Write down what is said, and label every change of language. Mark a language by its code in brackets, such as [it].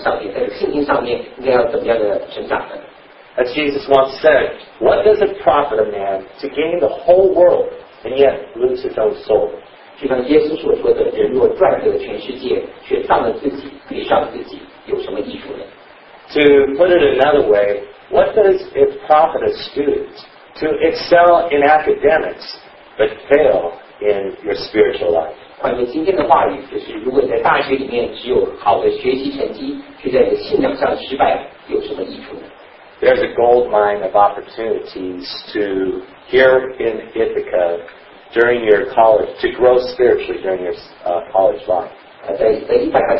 [zh] 在你大学的时候，你不只需要在学业上能够有很好的学习，那在你的信仰上面，在你的信心上面，应该要怎么样的成长呢？ [en] As Jesus once said, what does it profit a man to gain the whole world and yet lose his own soul? [zh] 就像耶稣所说的，人若赚得了全世界，却丧了自己，赔上了自己，有什么益处呢？ [en] To put it another way, what does it profit a student to excel in academics but fail in your spiritual life? [zh] 换句今天的话语，就是如果你在大学里面只有好的学习成绩，却在你的信仰上失败，有什么益处呢？ [en] There's a gold mine of opportunities to here in Ithaca during your college, to grow spiritually during your college life.